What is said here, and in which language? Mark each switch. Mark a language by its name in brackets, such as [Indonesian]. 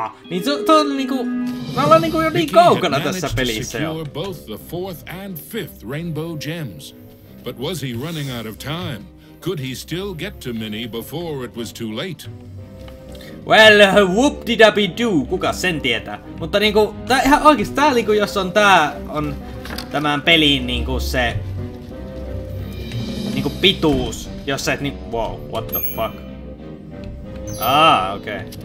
[Finnish] Niin tuo on niinku... Me ollaan niinku jo niin kaukana tässä pelissä jo. [English] Both the fourth and fifth rainbow gems. But was he running out of time? Could he still get to Minnie before it was too late? Well, whoop-di-dabby-doo, [Finnish] kuka sen tietää? Mutta niinku, tää ihan oikeesti, tää niinku, jos on tää, on tämän pelin niinku se... Niinku pituus, jos sä et niinku, [English] wow, what the fuck? [Finnish] Okei.